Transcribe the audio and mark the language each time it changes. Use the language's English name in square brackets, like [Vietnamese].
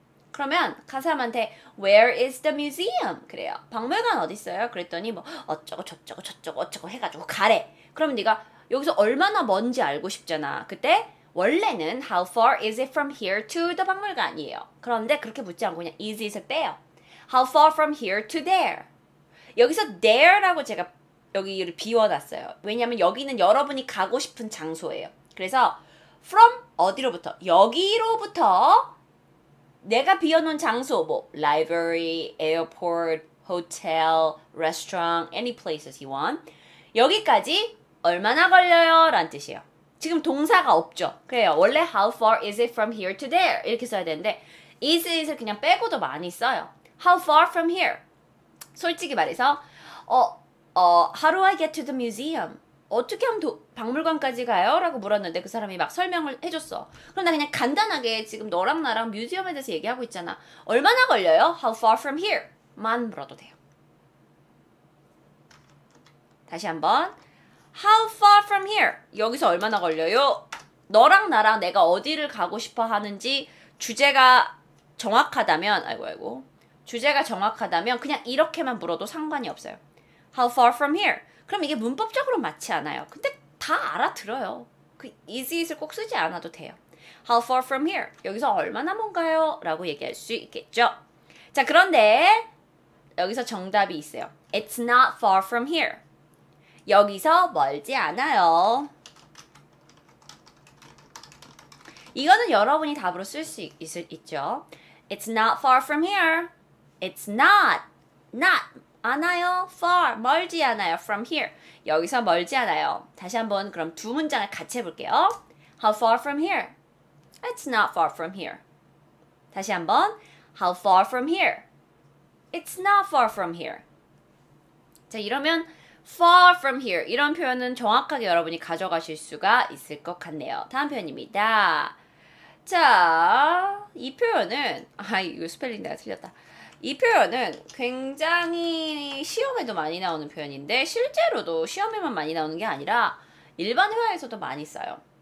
[Korean] 그러면 간 사람한테 [English] Where is the museum? [Korean] 그래요. 박물관 어디 있어요? 그랬더니 뭐 어쩌고 저쩌고 해가지고 가래. 그러면 네가 여기서 얼마나 먼지 알고 싶잖아. 그때 원래는 [English] How far is it from here to the 박물관이에요. [Korean] 그런데 그렇게 묻지 않고 그냥 is it을 빼요. [English] How far from here to there? [Korean] 여기서 there라고 제가 여기를 비워놨어요. 왜냐하면 여기는 여러분이 가고 싶은 장소예요. 그래서 From 어디로부터? 여기로부터 내가 비워놓은 장소 뭐 [English] library, airport, hotel, restaurant, any places you want [Korean] 여기까지 얼마나 걸려요? 라는 뜻이에요. 지금 동사가 없죠. 그래요. [English] 원래 how far is it from here to there? [Korean] 이렇게 써야 되는데 is을 그냥 빼고도 많이 써요. [English] How far from here? 솔직히 말해서 how do I get to the museum? [Korean] 어떻게 하면 박물관까지 가요? 라고 물었는데 그 사람이 막 설명을 해줬어. 그럼 나 그냥 간단하게 지금 너랑 나랑 뮤지엄에 대해서 얘기하고 있잖아. 얼마나 걸려요? [English] How far from here? [Korean] 만 물어도 돼요. 다시 한번 [English] How far from here? [Korean] 여기서 얼마나 걸려요? 너랑 나랑 내가 어디를 가고 싶어 하는지 주제가 정확하다면 아이고 주제가 정확하다면 그냥 이렇게만 물어도 상관이 없어요. [English] How far from here? [Korean] 그럼 이게 문법적으로 맞지 않아요. 근데 다 알아들어요. 그 is it을 꼭 쓰지 않아도 돼요. [English] How far from here? [Korean] 여기서 얼마나 먼가요? 라고 얘기할 수 있겠죠. 자, 그런데 여기서 정답이 있어요. [English] It's not far from here. [Korean] 여기서 멀지 않아요. 이거는 여러분이 답으로 쓸 수 있죠. [English] It's not far from here. It's not. [Korean] 않아요. [English] Far. [Korean] 멀지 않아요. [English] From here. [Korean] 여기서 멀지 않아요. 다시 한번 그럼 두 문장을 같이 해볼게요. [English] How far from here? It's not far from here. [Korean] 다시 한번. [English] How far from here? It's not far from here. [Korean] 자, 이러면 [English] far from here. [Korean] 이런 표현은 정확하게 여러분이 가져가실 수가 있을 것 같네요. 다음 표현입니다. 자, 이 표현은 이거 스펠링 내가 틀렸다. 이 표현은 굉장히 시험에도 많이 나오는 표현인데 실제로도 시험에만 많이 나오는 게 아니라 일반 회화에서도 많이 써요.